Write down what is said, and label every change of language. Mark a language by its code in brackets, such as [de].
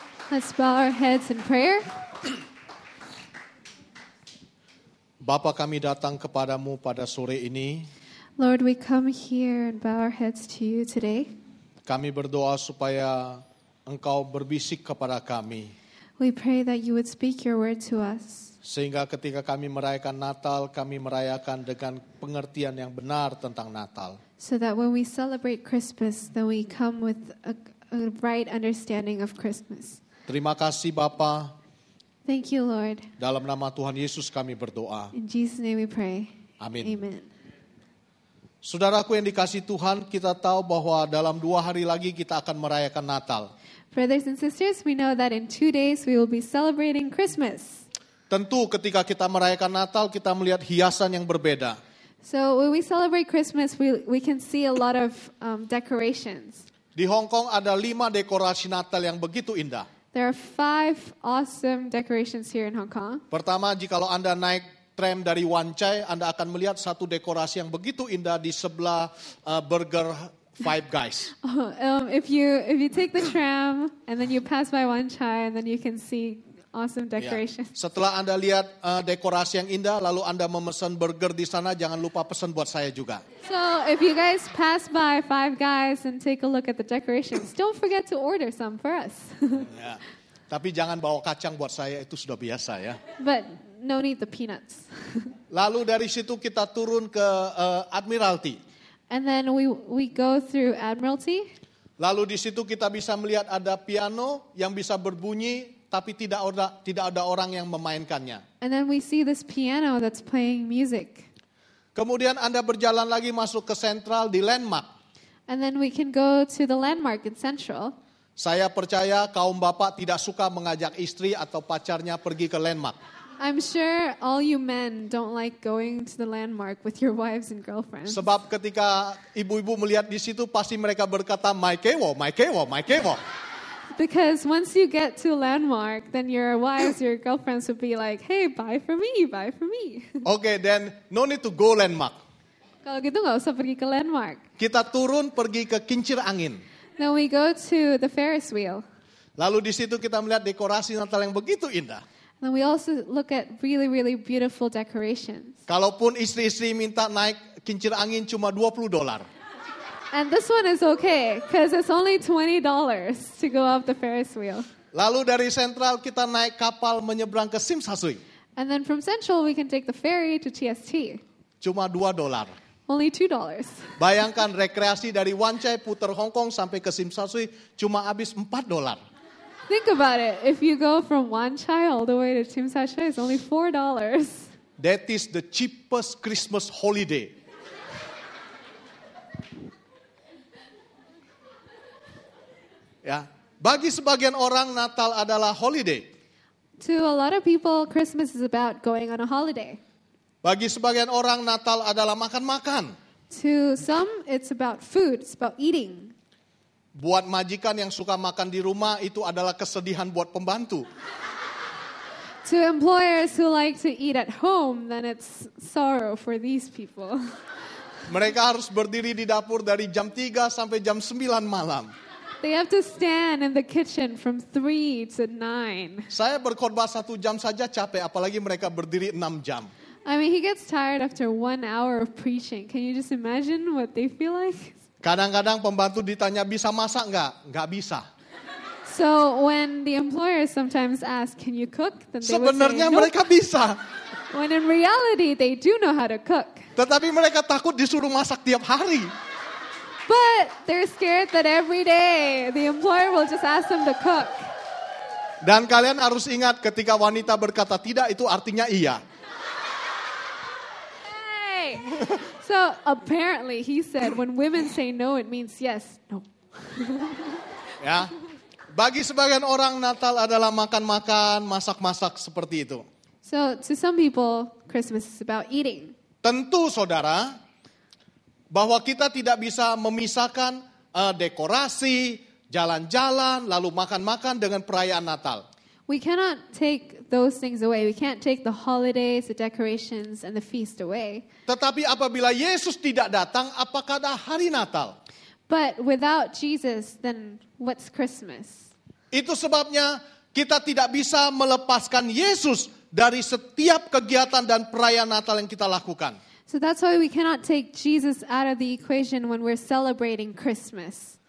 [en] Let's bow our heads in prayer. [id] Bapa, kami datang kepadamu pada sore ini. [en] Lord, we come here and bow our heads to you today. [id] Kami berdoa supaya Engkau berbisik kepada kami. [en] We pray that you would speak your word to us. [id] Sehingga ketika kami merayakan Natal, kami merayakan dengan pengertian yang benar tentang Natal. [en] So that when we celebrate Christmas, then we come with a right understanding of Christmas. [id] Terima kasih Bapa. [en] Thank you Lord. [id] Dalam nama Tuhan Yesus kami berdoa. [en] In Jesus' name we pray. [id] Amin. [en] Amen. [id] Saudaraku yang dikasihi Tuhan, kita tahu bahwa dalam 2 hari lagi kita akan merayakan Natal. [en] Brothers and sisters, we know that in 2 days we will be celebrating Christmas. [id] Tentu ketika kita merayakan Natal, kita melihat hiasan yang berbeda. [en] So when we celebrate Christmas, we can see a lot of decorations. [id] Di Hong Kong ada 5 dekorasi Natal yang begitu indah. [en] There are 5 awesome decorations here in Hong Kong. [id] Pertama, jika Anda naik tram dari Wan Chai, Anda akan melihat satu dekorasi yang begitu indah di sebelah Burger Five Guys. [en] If you take the tram and then you pass by Wan Chai, and then you can see awesome decorations. [id] Yeah. Setelah Anda lihat dekorasi yang indah, lalu Anda memesan burger di sana, jangan lupa pesan buat saya juga. [en] So if you guys pass by Five Guys and take a look at the decorations, don't forget to order some for us. [id] Yeah. Tapi jangan bawa kacang buat saya, itu sudah biasa ya. [en] But no need the peanuts. [id] Lalu dari situ kita turun ke Admiralty. [en] And then we go through Admiralty. [id] Lalu di situ kita bisa melihat ada piano yang bisa berbunyi tapi tidak ada orang yang memainkannya. [en] And then we see this piano that's playing music. [id] Kemudian Anda berjalan lagi masuk ke Central di Landmark. [en] And then we can go to the Landmark in Central. [id] Saya percaya kaum bapak tidak suka mengajak istri atau pacarnya pergi ke Landmark. [en] I'm sure all you men don't like going to the Landmark with your wives and girlfriends. [id] Sebab ketika ibu-ibu melihat di situ pasti mereka berkata my kewo, my kewo, my kewo. [en] Because once you get to Landmark, then your wives, your girlfriends would be like, "Hey, buy for me, buy for me." Okay, then no need to go Landmark. [id] Kalau gitu enggak usah pergi ke Landmark. Kita turun pergi ke kincir angin. [en] Then we go to the Ferris wheel. [id] Lalu di situ kita melihat dekorasi Natal yang begitu indah. [en] Then we also look at really, really beautiful decorations. [id] Kalaupun istri-istri minta naik kincir angin cuma $20. [en] And this one is okay, because it's only $20 to go up the Ferris wheel. [id] Lalu dari Central kita naik kapal menyeberang ke Simpsonsui. [en] And then from Central we can take the ferry to TST. [id] Cuma $2. [en] Only $2. [id] Bayangkan rekreasi dari Wan Chai putar Hong Kong sampai ke Simpsonsui cuma habis $4. [en] Think about it. If you go from Wan Chai all the way to Simpsonsui, it's only $4. That is the cheapest Christmas holiday. [id] Ya, bagi sebagian orang Natal adalah holiday. [en] To a lot of people, Christmas is about going on a holiday. [id] Bagi sebagian orang Natal adalah makan-makan. [en] To some, it's about food. It's about eating. [id] Buat majikan yang suka makan di rumah itu adalah kesedihan buat pembantu. [en] To employers who like to eat at home, then it's sorrow for these people. [id] Mereka harus berdiri di dapur dari jam 3 sampai jam 9 malam. [en] They have to stand in the kitchen from 3 to 9. [id] Saya berkhotbah 1 jam saja capek, apalagi mereka berdiri 6 jam. [en] I mean, he gets tired after 1 hour of preaching. Can you just imagine what they feel like? [id] Kadang-kadang pembantu ditanya bisa masak enggak? Enggak bisa. [en] So, when the employers sometimes ask, "Can you cook?" then they [id] sebenarnya [en] would say, [id] "Sebenarnya mereka [en] nope. [id] bisa." [en] When in reality they do know how to cook. [id] Tetapi mereka takut disuruh masak tiap hari. [en] But they're scared that every day the employer will just ask them to cook. [id] Dan kalian harus ingat ketika wanita berkata tidak itu artinya iya. [en] Hey. So apparently he said when women say no it means yes. No. [id] Ya. Bagi sebagian orang Natal adalah makan-makan, masak-masak seperti itu. [en] So to some people Christmas is about eating. [id] Tentu saudara bahwa kita tidak bisa memisahkan dekorasi, jalan-jalan, lalu makan-makan dengan perayaan Natal. [en] We cannot take those things away. We can't take the holidays, the decorations, and the feast away. [id] Tetapi apabila Yesus tidak datang, apakah ada hari Natal? [en] But without Jesus, then what's Christmas? [id] Itu sebabnya kita tidak bisa melepaskan Yesus dari setiap kegiatan dan perayaan Natal yang kita lakukan. [en] So that's why we cannot take Jesus out of the equation when we're celebrating Christmas.